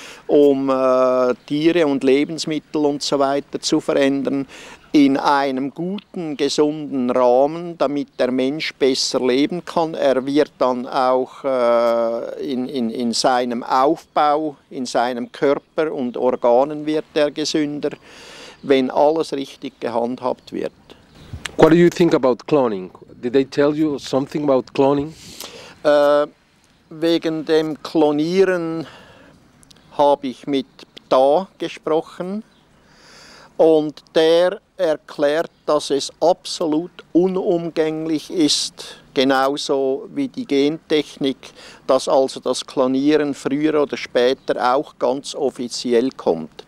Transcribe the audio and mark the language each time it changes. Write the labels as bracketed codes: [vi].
[de] um Tiere und Lebensmittel und so weiter zu verändern, in einem guten, gesunden Rahmen, damit der Mensch besser leben kann. Er wird dann auch in seinem Aufbau, in seinem Körper und Organen wird er gesünder, wenn alles richtig gehandhabt wird. [en] What do you think about cloning? Did they tell you something about cloning? [de] Wegen dem Klonieren habe ich mit Da gesprochen und der erklärt, dass es absolut unumgänglich ist, genauso wie die Gentechnik, dass also das Klonieren früher oder später auch ganz offiziell kommt.